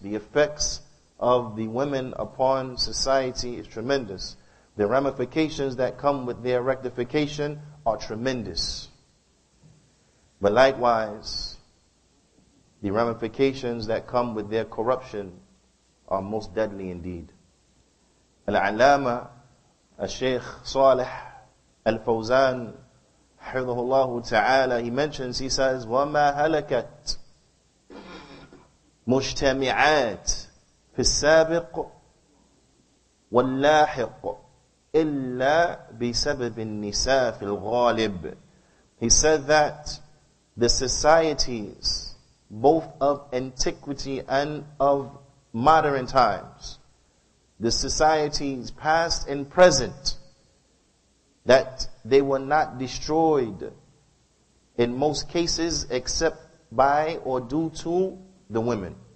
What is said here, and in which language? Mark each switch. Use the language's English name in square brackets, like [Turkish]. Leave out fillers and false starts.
[English] The effects of the women upon society is tremendous. The ramifications that come with their rectification are tremendous. But likewise, the ramifications that come with their corruption are most deadly indeed. Al-Allama, al-Shaykh Salih al-Fawzan, hifdhahullahu ta'ala, he mentions, he says, [Arabic] وَمَا هَلَكَتْ مُجْتَمِعَاتْ فِي السَّابِقُ وَاللَّاحِقُ إِلَّا بِسَبَبِ النِّسَاءِ فِي الْغَالِبِ. [English] He said that the societies, both of antiquity and of modern times, the societies past and present, that they were not destroyed in most cases except by or due to the women.